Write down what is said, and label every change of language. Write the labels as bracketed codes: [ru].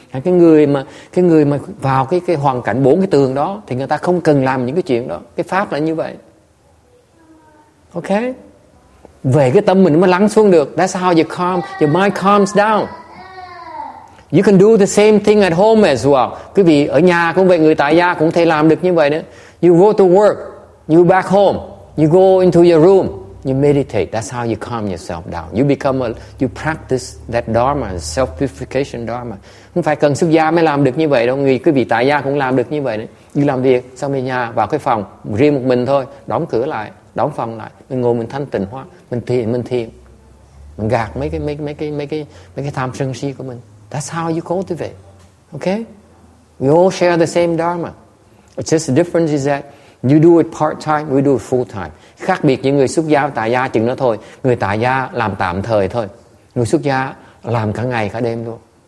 [vi] Cái người mà vào cái hoàn cảnh bốn cái tường đó thì người ta không cần làm những cái chuyện đó. Cái pháp là như vậy. Ok, về cái tâm mình mới lắng xuống được. [en] That's how you calm, your mind calms down. You can do the same thing at home as well. [vi] Quý vị ở nhà cũng vậy, người tại gia cũng thể làm được như vậy nữa. [en] You go to work, you back home, you go into your room, you meditate. That's how you calm yourself down. You practice that dharma, self-purification dharma. [vi] Không phải cần xuất gia mới làm được như vậy đâu. Người quý vị tại gia cũng làm được như vậy nữa. Đi làm việc, xong về nhà, vào cái phòng, riêng một mình thôi, đóng cửa lại, đóng phòng lại, mình ngồi mình thanh tịnh hóa, mình thiền, mình gạt mấy cái tham sân si của mình. [en] That's how you cultivate. Okay? We all share the same dharma. It's just the difference is that you do it part-time, we do it full-time. [vi] Khác biệt những người xuất gia và tại gia chừng đó thôi. Người tại gia làm tạm thời thôi. Người xuất gia làm cả ngày, cả đêm luôn.